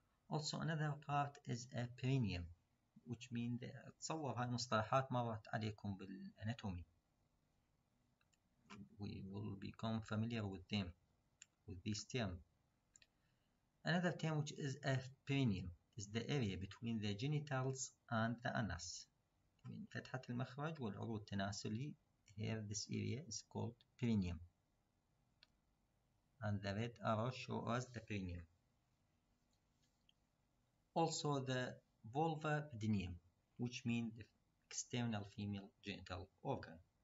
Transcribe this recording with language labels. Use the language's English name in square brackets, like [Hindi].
[English] Also another part is a perineum, which means [Arabic] تصور هاي المصطلحات مرت عليكم بالاناتومي. [English] We will become familiar with them, with these terms. Another term which is a perineum is the area between the genitals and the anus. [Arabic] من فتحة المخرج والعروض التناسلي. [English] Here this area is called perineum. And the red arrow shows us the perineum. Also the vulva perineum, which means the external female genital organ.